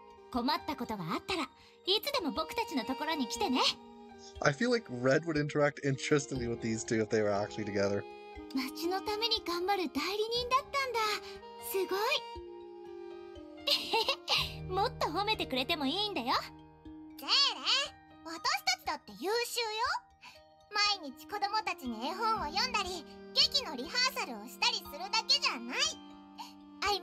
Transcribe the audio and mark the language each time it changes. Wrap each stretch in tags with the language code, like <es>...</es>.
<ja>困ったことがあったらいつでも僕たちのところに来てね。</ja> <en>I feel like Red would interact interestingly with these two if they were actually together.</en> <ja>町のために頑張る代理人だったんだ。すごい。もっと褒めてくれてもいいんだよ。ゼーレ、私たちだって優秀よ。毎日子供たちに絵本を読んだり、劇のリハーサルをしたりするだけじゃない。</ja>